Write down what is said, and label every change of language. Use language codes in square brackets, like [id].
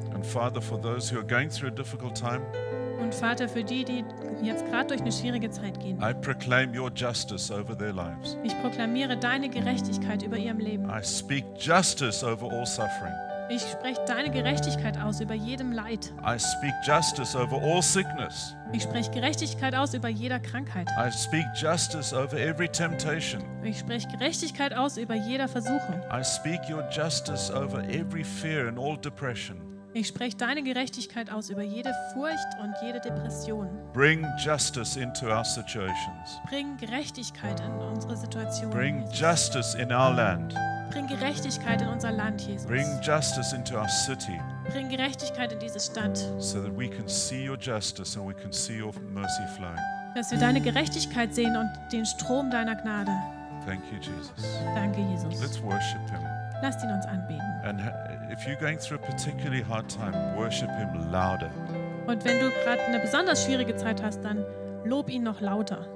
[en] And Father, for those who are going through a difficult time, [de] und Vater, für die, die jetzt gerade durch eine schwierige Zeit gehen, [en] I proclaim your justice over their lives. [de] Ich proklamiere deine Gerechtigkeit über ihrem Leben. [en] I speak justice over all suffering. [de] Ich spreche deine Gerechtigkeit aus über jedem Leid. [en] I speak justice over all sickness. [de] Ich spreche Gerechtigkeit aus über jeder Krankheit. [en] I speak justice over every temptation. [de] Ich spreche Gerechtigkeit aus über jeder Versuchung. [en] I speak your justice over every fear and all depression. [de] Ich spreche deine Gerechtigkeit aus über jede Furcht und jede Depression. [en] Bring justice into our situations. [de] Bring Gerechtigkeit in unsere Situation. [en] Bring justice in our land. [de] Bring Gerechtigkeit in unser Land, Jesus. [en] Bring justice into our city. [de] Bring Gerechtigkeit in diese Stadt. [en] So that we can see your justice and we can see your mercy flowing. [de] Dass wir deine Gerechtigkeit sehen und den Strom deiner Gnade. [en] Thank you, Jesus. [de] Danke, Jesus. [en] Let's worship him. [de] Lasst ihn uns anbeten. [en] And if you're going through a particularly hard time, worship him louder. [de] Und wenn du gerade eine besonders schwierige Zeit hast, dann lob ihn noch lauter.